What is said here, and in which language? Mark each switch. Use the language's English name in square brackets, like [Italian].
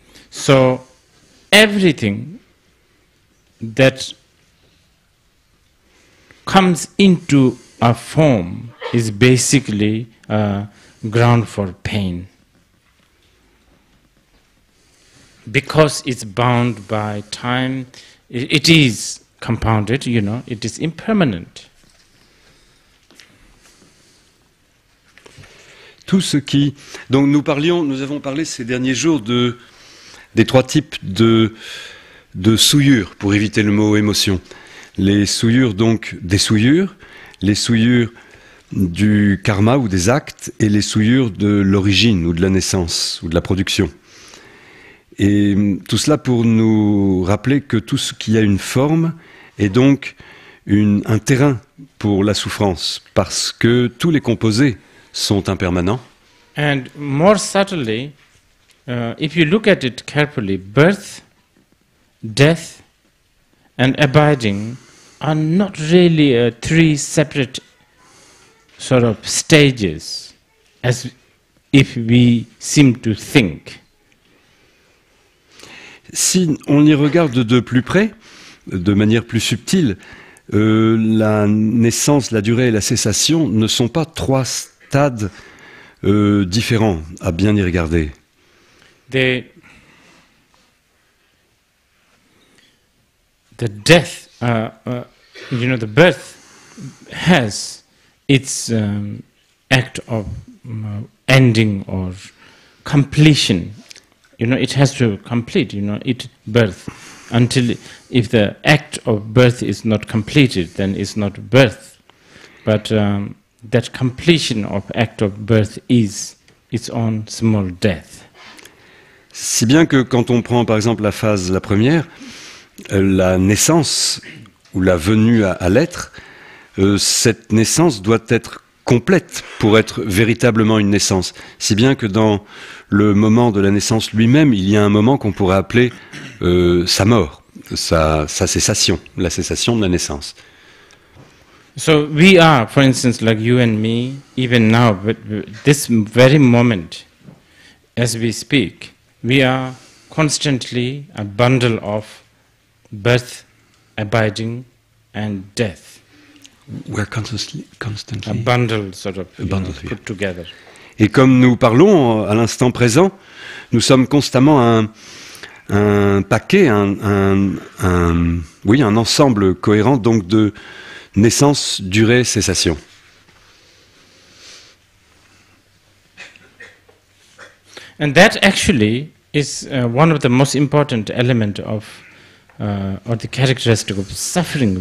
[English] So everything that comes into a form is basically a ground for pain, because it's bound by time, it is compounded, you know, it is impermanent. [French] Tout ce qui, donc nous avons parlé ces derniers jours des trois types de souillures, pour éviter le mot émotion. Les souillures donc des souillures, les souillures du karma ou des actes, et les souillures de l'origine ou de la naissance ou de la production. Et tout cela pour nous rappeler que tout ce qui a une forme est donc un terrain pour la souffrance, parce que tous les composés sont impermanents. [English] And more subtly, if you look at it carefully, birth, death and abiding are not really three separate sort of stages, as if we seem to think. [French] Si on y regarde de plus près, de manière plus subtile, la naissance, la durée et la cessation ne sont pas trois stades différents, à bien y regarder. [English] The death, you know, the birth has its act of ending or completion. You know, it has to complete, you know, its birth. Until if the act of birth is not completed, then it's not birth. But that completion of act of birth is its own small death. [French] Si bien que quand on prend par exemple la phase, la première, la naissance ou la venue à l'être, cette naissance doit être complète pour être véritablement une naissance. Si bien que dans le moment de la naissance lui-même, il y a un moment qu'on pourrait appeler sa mort, sa cessation, la cessation de la naissance. [English] So we are, for instance, like you and me, even now, but this very moment, as we speak, we are constantly a bundle of birth, abiding, and death. We're constantly a bundle, sort of, a bundle, know, put yeah. together. [French] Et comme nous parlons à l'instant présent, nous sommes constamment un paquet, un ensemble cohérent, donc de naissance, durée, cessation. [English] And that actually is one of the most important element of or the characteristic of suffering.